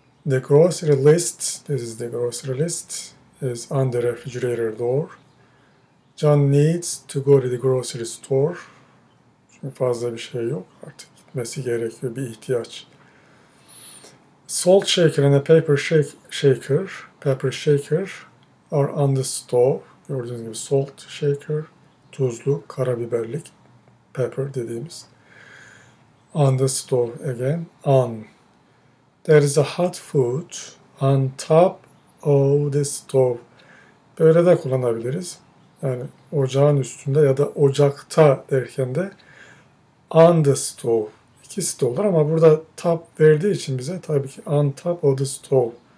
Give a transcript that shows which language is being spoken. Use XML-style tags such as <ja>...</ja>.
<en>The grocery list, this is the grocery list, is on the refrigerator door. John needs to go to the grocery store.</en> <tr>Çünkü fazla bir şey yok. Artık gitmesi gerekiyor. Bir ihtiyaç.</tr> <en>Salt shaker and a pepper shaker are on the stove.</en> <tr>Gördüğünüz gibi salt shaker, tuzlu, karabiberlik, pepper dediğimiz.</tr> <en>On the stove again. On. There is a hot food on top of the stove.</en> <tr>Böyle de kullanabiliriz. Yani ocağın üstünde ya da ocakta derken de</tr> <en>on the stove.</en> <tr>İkisi de olur ama burada top verdiği için bize tabii ki</tr> <en>on top of the stove.</en>